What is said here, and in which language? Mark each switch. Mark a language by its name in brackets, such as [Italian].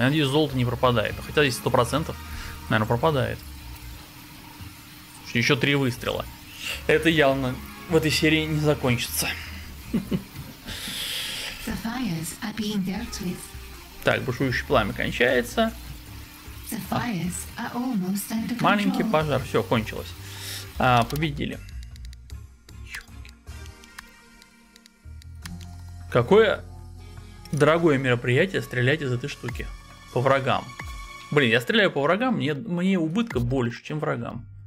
[Russian] Я надеюсь, золото не пропадает. Хотя здесь 100%, наверное, пропадает. Еще 3 выстрела. Это явно в этой серии не закончится. [English] The fires are being dealt with. [Russian] Так, бушующее пламя кончается. [English] The fires are almost under control. [Russian] Маленький пожар, все, кончилось. А, победили. Какое дорогое мероприятие стрелять из этой штуки по врагам. Блин, я стреляю по врагам, мне убытка больше, чем врагам.